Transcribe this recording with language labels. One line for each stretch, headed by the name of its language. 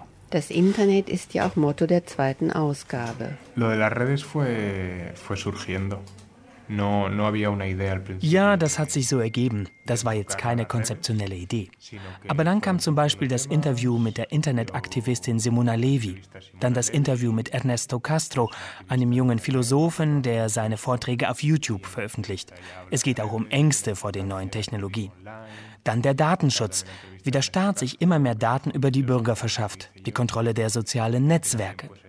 German: Das Internet ist ja auch Motto der 2. Ausgabe.
Spanish: Lo de las redes fue surgiendo. No había una idea al principio.
German: Ja, das hat sich so ergeben. Das war jetzt keine konzeptionelle Idee. Aber dann kam zum Beispiel das Interview mit der Internetaktivistin Simona Levi. Dann das Interview mit Ernesto Castro, einem jungen Philosophen, der seine Vorträge auf YouTube veröffentlicht. Es geht auch um Ängste vor den neuen Technologien. Dann der Datenschutz, wie der Staat sich immer mehr Daten über die Bürger verschafft, die Kontrolle der sozialen Netzwerke.